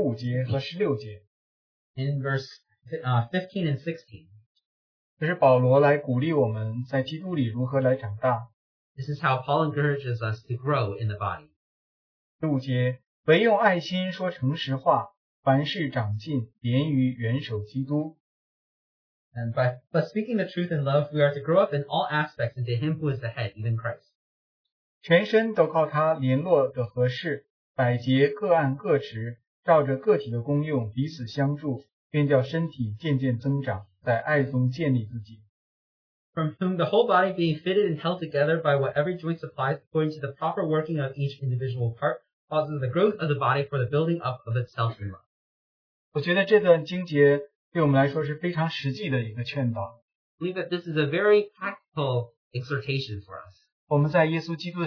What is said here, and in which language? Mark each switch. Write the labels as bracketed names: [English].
[Chinese] 我们看一下以弗所书第四章第15节和16节。In [English] verse 15 and 16. [Chinese] 这是保罗来鼓励我们在基督里如何来长大。This [English] is how Paul encourages us to grow in the body. [Chinese] 15节，唯用爱心说诚实话，凡事长进，连于元首基督。 [English] And but speaking the truth in love, we are to grow up in all aspects into Him who is the head, even Christ. [Chinese] 全身都靠他联络的合适，百节各按各职，照着个体的功用彼此相助，便叫身体渐渐增长，在爱中建立自己。From [English] whom the whole body being fitted and held together by what every joint supplies, according to the proper working of each individual part, causes the growth of the body for the building up of itself in love. [Chinese] 我觉得这段经节 对我们来说是非常实际的一个劝导。 [English] I believe that this is a very practical exhortation for us.